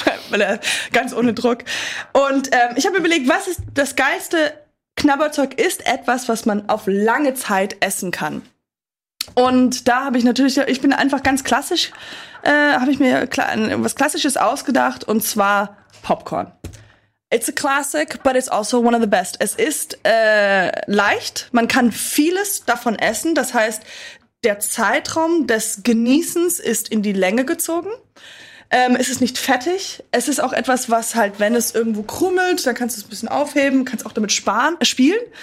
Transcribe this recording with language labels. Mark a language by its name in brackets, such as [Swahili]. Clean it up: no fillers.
[German] weil er ganz ohne Druck. Und ich habe überlegt, was ist das geilste Knabberzeug? Ist etwas, was man auf lange Zeit essen kann. Und da habe ich natürlich, ich bin einfach ganz klassisch, habe ich mir was Klassisches ausgedacht, und zwar Popcorn. [English] It's a classic, but it's also one of the best. [German] Es ist leicht, man kann vieles davon essen. Das heißt, der Zeitraum des Genießens ist in die Länge gezogen. Es ist nicht fettig. Es ist auch etwas, was halt, wenn es irgendwo krummelt, dann kannst du es ein bisschen aufheben, kannst auch damit spielen.